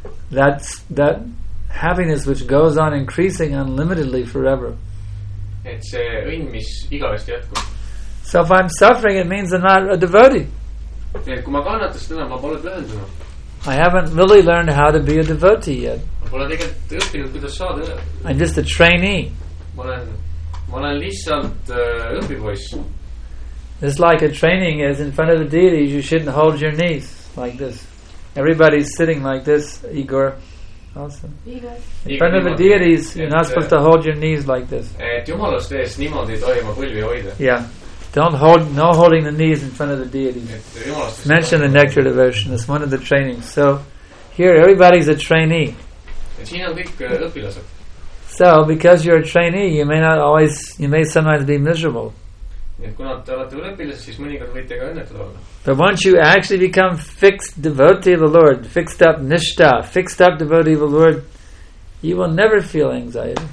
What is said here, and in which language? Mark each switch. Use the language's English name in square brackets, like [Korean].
[English] That's that happiness which goes on increasing unlimitedly forever. [Estonian] Et see õnn, mis igavesti jätkub. [English] So if I'm suffering, it means I'm not a devotee. [Estonian] Et kui ma kannatan seda, ma pole pühendunud. [English] I haven't really learned how to be a devotee yet. [Estonian] Ma pole tegelikult õppinud, kuidas saada. [English] I'm just a trainee. [Estonian] Ma olen lihtsalt õppipoiss. [English] It's like a training is in front of the deities, you shouldn't hold your knees like this. Everybody's sitting like this, Igor. Awesome. In front of the deities, you're not supposed to hold your knees like this. [Estonian] Jumalast ees niimoodi toima põlvi hoida. [English] Yeah. Don't hold, no holding the knees in front of the deity. Mention the nectar devotion. It's one of the trainings. So here, everybody's a trainee. So because you're a trainee, you may not always, you may sometimes be miserable. But once you actually become fixed devotee of the Lord, fixed up nishta, fixed up devotee of the Lord, you will never feel anxiety.